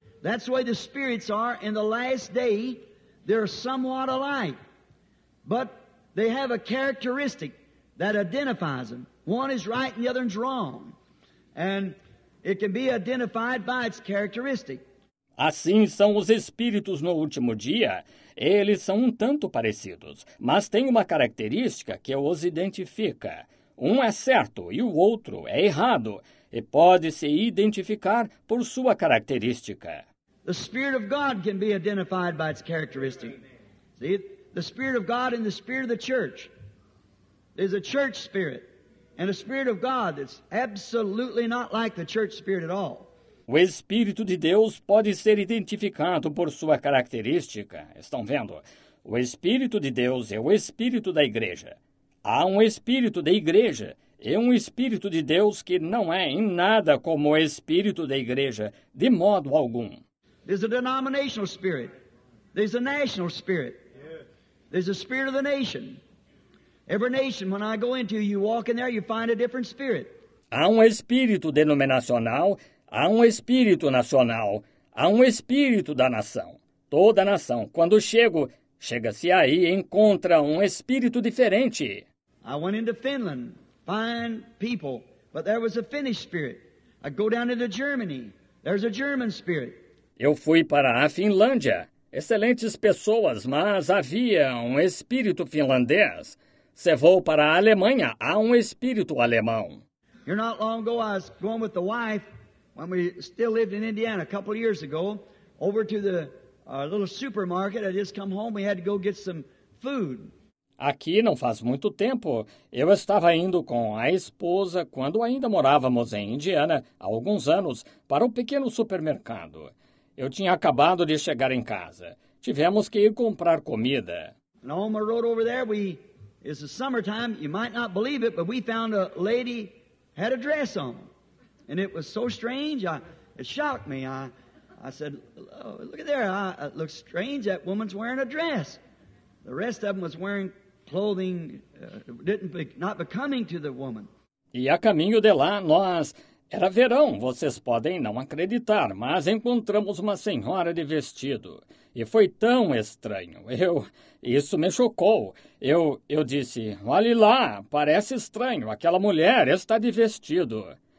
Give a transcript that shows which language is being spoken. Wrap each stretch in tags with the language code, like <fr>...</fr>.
<en>That's why the spirits are in the last day, they're somewhat alike. But they have a characteristic that identifies them. One is right and the other is wrong. And it can be identified by its characteristic.</en> <pt>Assim são os espíritos no último dia. Eles são um tanto parecidos, mas têm uma característica que os identifica. Um é certo e o outro é errado, e pode se identificar por sua característica.</pt> <en>The Spirit of God can be identified by its characteristic. See, the Spirit of God and the Spirit of the Church. There's a church spirit and a Spirit of God that's absolutely not like the church spirit at all.</en> <pt>O Espírito de Deus pode ser identificado por sua característica. Estão vendo? O Espírito de Deus é o Espírito da Igreja. Há um Espírito da Igreja e um Espírito de Deus que não é em nada como o Espírito da Igreja, de modo algum.</pt> <en>There's a denominational spirit. There's a national spirit. There's a spirit of the nation. Every nation, when I go into, you walk in there, you find a different spirit.</en> <pt>Há um Espírito denominacional. Há um espírito nacional, há um espírito da nação. Toda nação, quando chega-se aí e encontra um espírito diferente.</pt> <en>I went into Finland, fine people, but there was a Finnish spirit. I go down into Germany, there's a German spirit.</en> <pt>Eu fui para a Finlândia, excelentes pessoas, mas havia um espírito finlandês. Se vou para a Alemanha, há um espírito alemão.</pt> <en>You're not long ago, I was going with the wife. When we still lived in Indiana a couple of years ago, over to the little supermarket, I just come home, we had to go get some food.</en> <pt>Aqui, não faz muito tempo, eu estava indo com a esposa, quando ainda morávamos em Indiana, há alguns anos, para um pequeno supermercado. Eu tinha acabado de chegar em casa. Tivemos que ir comprar comida.</pt> <en>And on my road over there, it's the summertime. You might not believe it, but we found a lady had a dress on. And it was so strange, it shocked me. I said, oh, look at there. It looks strange. That woman's wearing a dress. The rest of them was wearing clothing not becoming to the woman.</en> <pt>E a caminho de lá, nós... Era verão, vocês podem não acreditar, mas encontramos uma senhora de vestido. E foi tão estranho. Isso me chocou. Eu disse, olhe lá, parece estranho, aquela mulher está de vestido.</pt>